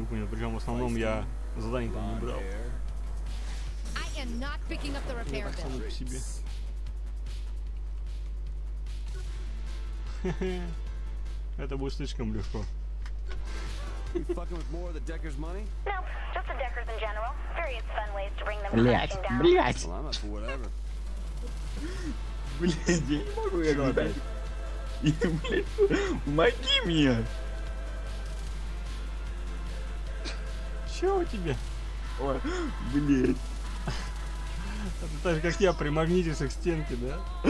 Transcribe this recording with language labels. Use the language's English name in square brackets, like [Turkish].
[Russian] Причем в основном я задание там не брал. [English] I am not picking up the repair bill. [Russian] Это будет слишком легко. [English] You fucking with more of the Deckers money? No, just the Deckers in general. Various fun ways to bring them crashing down. [Russian] Блять. [English] Well, I'm up for whatever. [Russian] Блять, я не могу я говорить. Помоги мне! Че у тебя? Ой, блядь. Ты так же, как я, примагнитился к стенке, да?